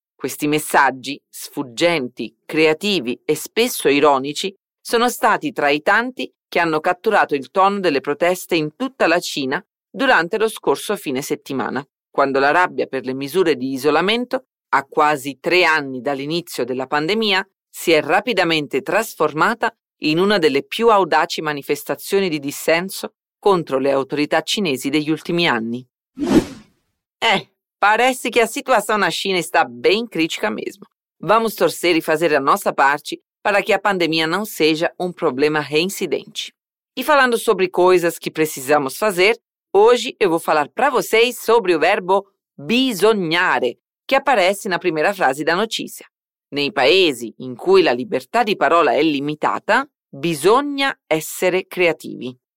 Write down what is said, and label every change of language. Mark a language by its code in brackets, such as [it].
[it] Questi messaggi, sfuggenti, creativi e spesso ironici, sono stati tra i tanti che hanno catturato il tono delle proteste in tutta la Cina durante lo scorso fine settimana, quando la rabbia per le misure di isolamento, a quasi 3 anni dall'inizio della pandemia, si è rapidamente trasformata in una delle più audaci manifestazioni di dissenso contro le autorità cinesi degli ultimi anni. [pt] Parece che a situação na China está bem crítica mesmo. Vamos torcer e fazer a nossa parte para que a pandemia não seja problema reincidente. E falando sobre coisas que precisamos fazer, hoje eu vou falar para vocês sobre o verbo bisognare, que aparece na primeira frase da notícia. [it] Nei paesi in cui la libertà di parola è limitata, bisogna essere creativi.